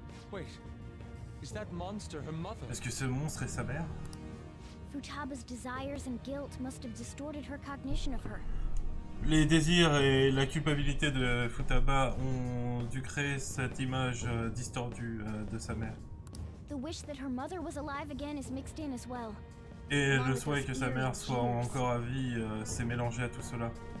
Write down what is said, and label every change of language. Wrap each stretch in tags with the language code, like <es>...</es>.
<en>Wait, is that monster her mother?</en> <fr>Est-ce que ce monstre est sa mère?</fr> <en>Futaba's desires and guilt must have distorted her cognition of her.</en> <fr>Les désirs et la culpabilité de Futaba ont dû créer cette image distordue de sa mère.</fr> <en>The wish that her mother was alive again is mixed in as well.</en> <fr>Et le souhait que sa mère soit encore à vie s'est mélangé à tout cela.</fr>